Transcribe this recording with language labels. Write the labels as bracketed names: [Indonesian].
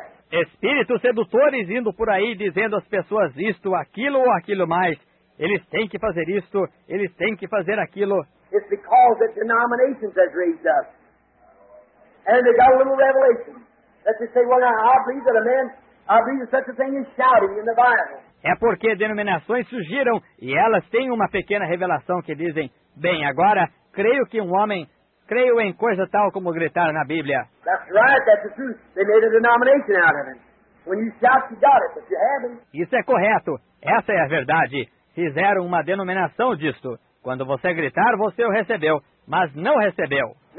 [Portuguese] Espíritos sedutores indo por aí, dizendo às pessoas isto, aquilo ou aquilo mais. Eles têm que fazer isto, eles têm que fazer aquilo. É porque a denominação nos levantou. [English] And they got a little revelation that they say, well, now, I believe that such a thing is shouting in the Bible. [Portuguese] É porque denominações surgiram e elas têm uma pequena revelação que dizem, bem, agora, creio que um homem, creio em coisa tal como gritar na Bíblia. [English] That's right, that's the truth. They made a denomination out of it. When you shout, you got it, but you haven't. [Portuguese] Isso é correto. Essa é a verdade. Fizeram uma denominação disto. Quando você gritar, você o recebeu, mas não recebeu.